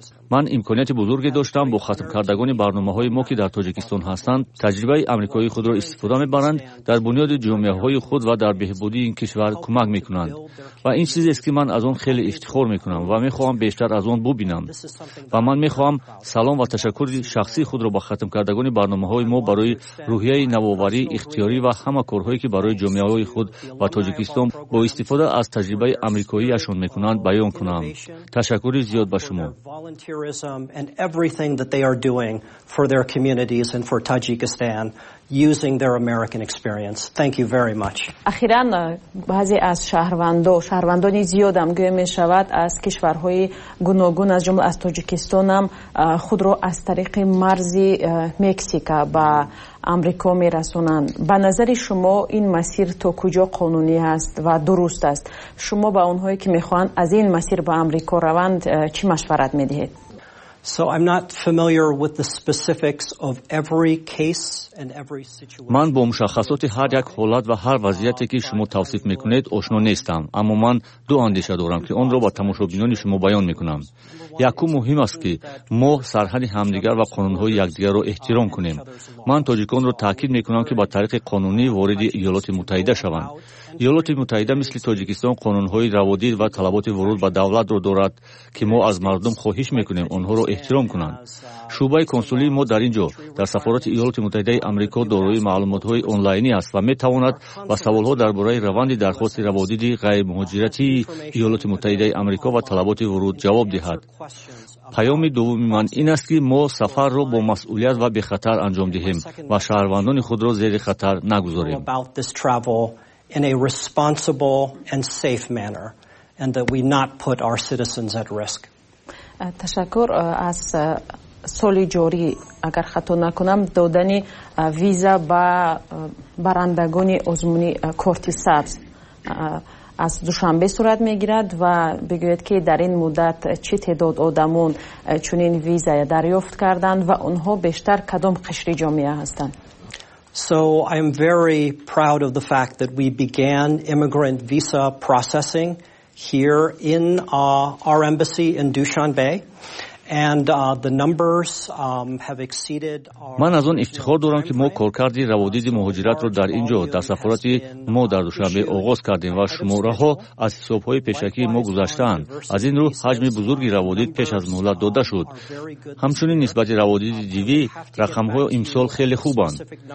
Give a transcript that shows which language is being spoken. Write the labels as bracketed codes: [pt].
[fa] من امکانیت بزرگی داشتم با ختم کردگان برنامه های ما که در تاجیکستان هستند تجربه امریکایی خود را استفاده میبرند، در بنیاد جامعه های خود و در بهبودی این کشور کمک میکنند و این چیزی است که من از آن خیلی افتخار میکنم و میخواهم بیشتر از آن ببینم و من میخواهم سلام و تشکر شخصی خود را به ختم کردگان برنامه های ما برای روحیه نوآوری اختیاری و همه کارهایی که برای جامعه های خود و تاجیکستان با استفاده از تجربه امریکایی اشون میکنند بیان کنم. تشکر زیاد به شما. [en] Volunteerism and everything that they are doing for their communities and for Tajikistan using their American experience. Thank you very much. [fa] اخیراً بعضی از شهروندانی زیادم گویا میشود از کشورهای گوناگون از جمله از تاجیکستان هم خود را از طریق مرز مکزیکا با امریکا میرسونند. به نظر شما این مسیر تا کجا قانونی است و درست است؟ شما به اونهایی که میخوان از این مسیر به امریکا روند چی مشورت میدهید؟ [en] So I'm not familiar with the specifics of every case and every situation. [fa] من با مشخصات هر یک حالت و هر وضعیتی که شما توصیف میکنید آشنا نیستم، اما من دو اندیشه دارم که اون رو با تماشابینان شما بیان میکنم. یکو مهم است که ما سرحد همدیگر و قانونهای یکدیگر را احترام کنیم. من تاجیکان را تاکید میکنم که با طریق قانونی وارد ایالات متحده شوند. ایالات متحده مثل تاجیکستان قانونهای روادید و طلبات ورود به دولت را دارد که ما از مردم خواهش میکنیم آنها را احترام کنند. شعبه کنسولی ما در اینجا در سفارت ایالات متحده آمریکا دارای معلوماتهای آنلاینی است و میتواند با سوالها درباره روند درخواست روادید غیر مهاجرتی ایالات متحده آمریکا و طلبات ورود جواب دهد. پیام دوم من این است که ما سفر را با مسئولیت و به خطر انجام دهیم و شهروندان خود را زیر خطر نگذاریم. [en] In a responsible and safe manner, and that we not put our citizens at risk. [fa] تشکر از سال جاری اگر خطا نکنم دادن ویزا با برندگان آزمونی کارت سبز از دوشنبه صورت میگیرد و بگوید که در این مدت چه تعداد آدمون چنین ویزا دریافت کردند و اونها بیشتر کدام قشر جامعه هستند. [en] So I am very proud of the fact that we began immigrant visa processing here in our embassy in Dushanbe. And the numbers have exceeded our [fa] من از اون افتخار دارم که ما کارکرد روادید مهاجرت رو در اینجا در سفارت ما در دوشنبه آغاز کردیم و شماره ها از حساب های پیشکی ما گذشتند. از این رو حجم بزرگی روادید پیش از مهلت داده شد. همچنین نسبت روادید دیوی رقم های امسال خیلی خوبند.